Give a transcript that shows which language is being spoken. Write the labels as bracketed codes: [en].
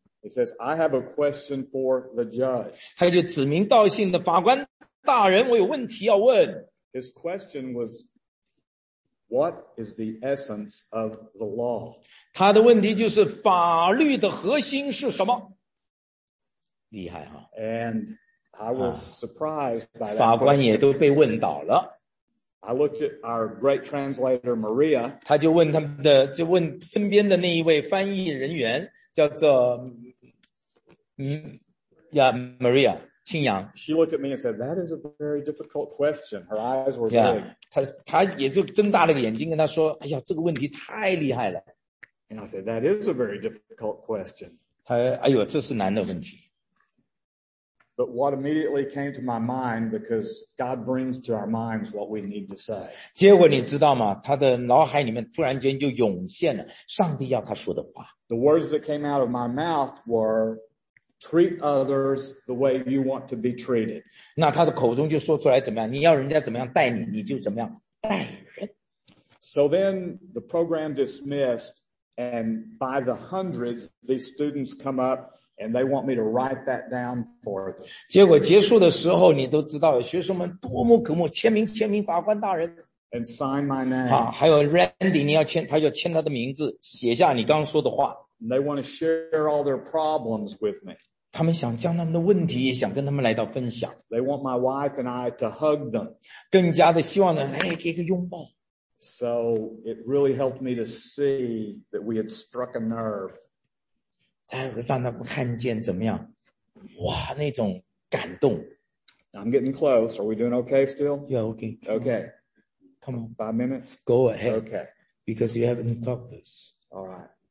[en] He says, I have a question for the judge. [zh] 他就指名道姓的法官大人，我有问题要问。 [en] His question was, what is the essence of the law? [zh] 他的问题就是法律的核心是什么。厉害啊。 [en] And I was surprised by that. [zh] 法官也都被问倒了。 [en] I looked at our great translator, Maria. [zh] 他就问他们的，就问身边的那一位翻译人员，叫做Maria, 清扬。 [en] She looked at me and said, that is a very difficult question. Her eyes were big. [zh] Yeah, 他也就睁大了眼睛跟他说，哎呀，这个问题太厉害了。 [en] And I said, that is a very difficult question. [zh] 他，哎呦，这是难的问题。 [en] But what immediately came to my mind, because God brings to our minds what we need to say. [zh] 结果你知道吗？他的脑海里面突然间就涌现了上帝要他说的话。 [en] The words that came out of my mouth were, treat others the way you want to be treated. [zh] 那他的口中就说出来怎么样？你要人家怎么样待你，你就怎么样待人。 [en] So then the program dismissed, and by the hundreds, these students come up, and they want me to write that down for them. [zh] 结果结束的时候你都知道学生们多么渴慕签名签名法官大人。 [en] And sign my name. [zh] 好，还有 Randy, 你要签，他就签他的名字，写下你刚说的话。 [en] And they want to share all their problems with me. [zh] 他们想将他们的问题也想跟他们来到分享。 [en] They want my wife and I to hug them. [zh] 更加的希望呢，哎，给个拥抱。 [en] So it really helped me to see that we had struck a nerve. [zh] 但是让他们看见怎么样，哇，那种感动。 [en] I'm getting close. Are we doing okay still? Yeah, okay. Okay. Come on. 5 minutes? Go ahead. Okay. Because you haven't talked this. All right.